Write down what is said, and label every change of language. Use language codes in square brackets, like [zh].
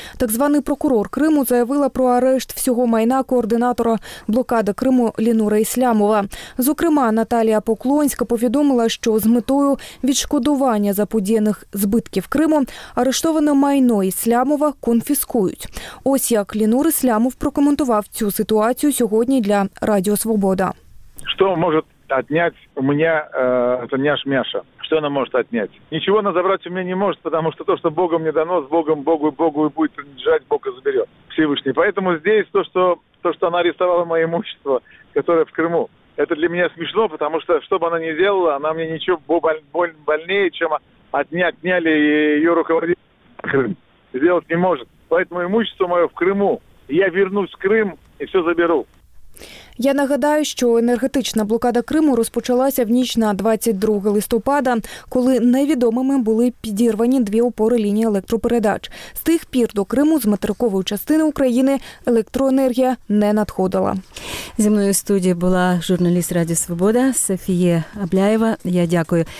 [uk] Так званий прокурор Криму заявила про арешт всього майна координатора блокади Криму Лінура Іслямова. Зокрема, Наталія Поклонська повідомила, що з метою відшкодування заподіяних збитків Криму арештоване майно Іслямова конфіскують. Ось як Лінур Іслямов прокоментував цю ситуацію сьогодні для Радіо Свобода. [ru] Що може отнять у меня это няш Мяша. Что она может отнять? Ничего она забрать у меня не может, потому что то, что Богом мне дано, с Богом, Богу и будет принадлежать, Бог и заберет. Всевышний. Поэтому здесь то, что она арестовала мое имущество, которое в Крыму, это для меня смешно, потому что, что бы она ни делала, она мне ничего больнее, чем отняли ее руководитель в Крым. Сделать не может. Поэтому имущество мое в Крыму. Я вернусь в Крым и все заберу. [uk] Я нагадаю, що енергетична блокада Криму розпочалася в ніч на 22 листопада, коли невідомими були підірвані дві опори лінії електропередач. З тих пір до Криму з материкової частини України електроенергія не надходила. Зі мною в студії була журналіст Радіо Свобода Софія Абляєва. Я дякую.